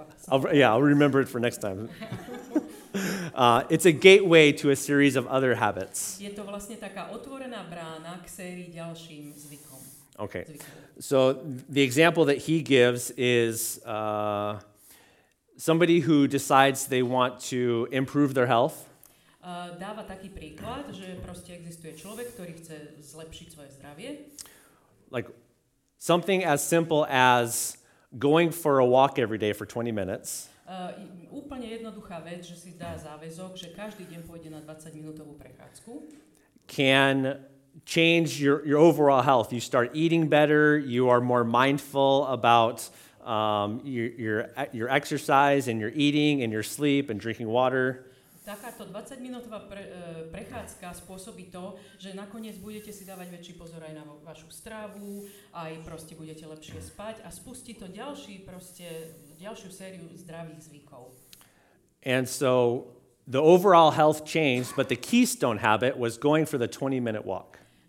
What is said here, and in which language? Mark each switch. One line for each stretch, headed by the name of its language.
English: I'll remember it for next time. It's a gateway to a series of other habits.
Slovak: Je to vlastne taká otvorená brána k sérii ďalším zvykom.
English: Okay. So the example that he gives is somebody who decides they want to improve their health.
Slovak: Dáva taký príklad, že proste existuje človek, ktorý chce zlepšiť svoje zdravie.
English: Like something as simple as going for a walk every day for 20 minutes.
Slovak: Úplne jednoduchá vec, že si dá záväzok, že každý deň pôjde na 20-minútovú prechádzku.
English: Can change your overall health. You start eating better, you are more mindful about your exercise and your eating and your sleep and drinking water.
Slovak: Takáto 20-minútová prechádzka spôsobí to, že nakoniec budete si dávať väčší pozor aj na vašu stravu, aj proste budete lepšie spať a spustí to ďalšiu sériu zdravých zvykov.
English: And so the overall health changed, but the keystone habit was going for the 20-minute walk.